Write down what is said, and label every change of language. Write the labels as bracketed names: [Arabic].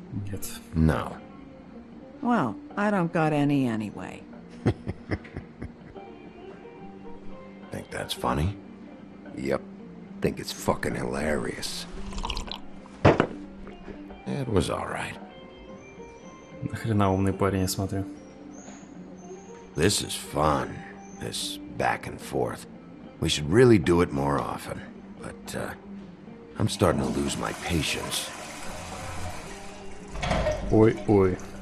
[Russian] Нет. [English] No. Well, I don't got any anyway. Think that's funny? Yep. Think it's fucking hilarious. It was all right. [Russian] Нахрена умный парень, я смотрю. [English] This is fun. This back and forth. We should really do it more often. But, I'm starting to lose my patience. [Russian] Ой-ой.